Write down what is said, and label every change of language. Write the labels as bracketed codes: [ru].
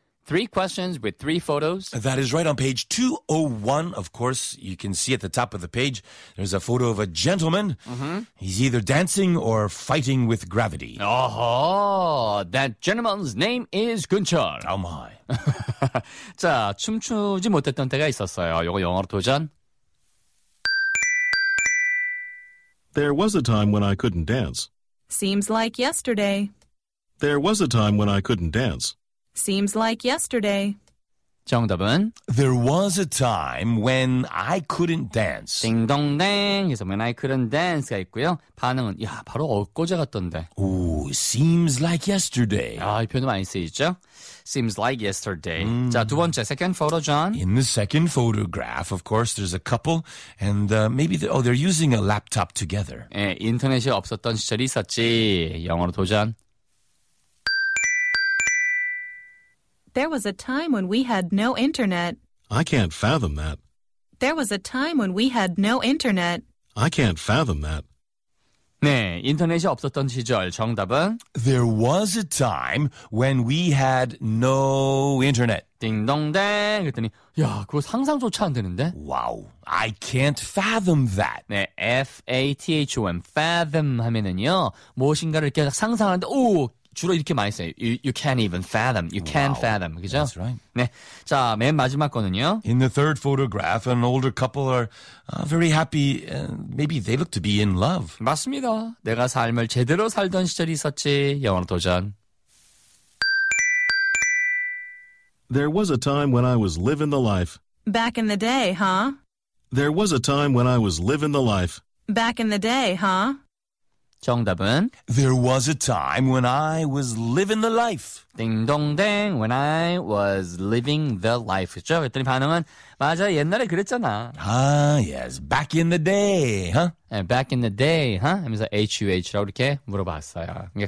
[en] Three questions with three photos. That is right. On page 201, of course, you can see at the top of the page, there's a photo of a gentleman. Mm-hmm. He's either dancing or fighting with gravity. Oh, that gentleman's name is Gunchar. Oh, my. [ko] 자, 춤추지 못했던 때가 있었어요. 요거 영어로 도전. [en] There was a time when I couldn't dance. Seems like yesterday. There was a time when I couldn't dance. Seems like yesterday. [ko] 정답은? [en] There was a time when I couldn't dance. [ko] 딩동댕. 그래서 [en] when I couldn't dance [ko] 가 있고요. 반응은 야 바로 엊그제 같던데. [en] Ooh, seems like yesterday. [ko] 아, 이 표현 많이 쓰이죠? [en] Seems like yesterday. [ko] 자, 두 번째, [en] second photo, [ko] John. [en] In the second photograph, of course, there's a couple, and maybe, they're using a laptop together. [ko] 예, 인터넷이 없었던 시절이 있었지. 영어로 도전. [en] There was a time when we had no internet. I can't fathom that. There was a time when we had no internet. I can't fathom that. [ko] 네, 인터넷이 없었던 시절 정답은 [en] There was a time when we had no internet. [ko] 띵동댕 그랬더니 야, 그거 상상조차 안 되는데? [en] Wow, I can't fathom that. [ko] 네, F-A-T-H-O-M, fathom 하면은요, 무엇인가를 이렇게 상상하는데 오, 주로 이렇게 많이 써요. [en] You can't even fathom. You can't wow. fathom. [ko] 그죠? [en] That's right. [ko] 네. 자, 맨 마지막 거는요. [en] In the third photograph, an older couple are very happy. Maybe they look to be in love. [ko] 맞습니다. 내가 삶을 제대로 살던 시절이 있었지. 영어 도전. [en] There was a time when I was living the life. Back in the day, huh? There was a time when I was living the life. Back in the day, huh? [ko] 정답은 [en] There was a time when I was living the life. [ko] 딩동댕 [en] When I was living the life. [ko] 그렇죠? 그랬더니 반응은 맞아 옛날에 그랬잖아. [en] Ah yes. Back in the day. Huh? And back in the day. Huh? [ko] 하면서 H-U-H라고 이렇게 물어봤어요.